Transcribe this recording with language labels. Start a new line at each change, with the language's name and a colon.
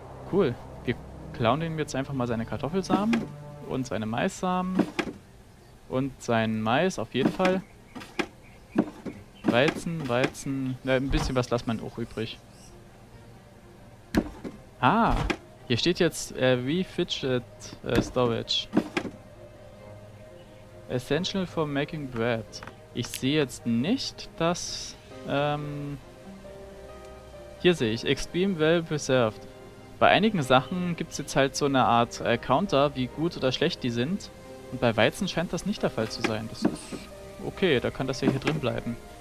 German: Cool. Wir klauen ihm jetzt einfach mal seine Kartoffelsamen und seine Maissamen. Und sein Mais auf jeden Fall. Weizen. Ja, ein bisschen was lasst man auch übrig. Ah, hier steht jetzt Refidget Storage.
English: Essential for making bread.
German: Ich sehe jetzt nicht, dass... hier sehe ich,
English: extreme well preserved.
German: Bei einigen Sachen gibt es jetzt halt so eine Art Counter, wie gut oder schlecht die sind. Und bei Weizen scheint das nicht der Fall zu sein. Das ist okay, da kann das ja hier drin bleiben.